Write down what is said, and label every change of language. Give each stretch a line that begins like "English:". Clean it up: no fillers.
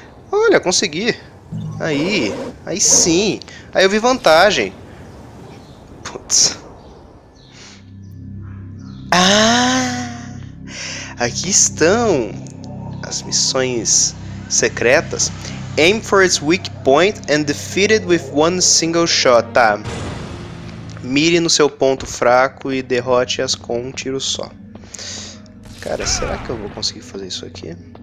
Portuguese: Olha, consegui. Aí. Aí sim. Aí eu vi vantagem. Putz. Ah! Aqui estão as missões secretas.
English: Aim for its weak point and defeat it with one single shot.
Portuguese: Tá. Mire no seu ponto fraco e derrote-as com um tiro só. Cara, será que eu vou conseguir fazer isso aqui?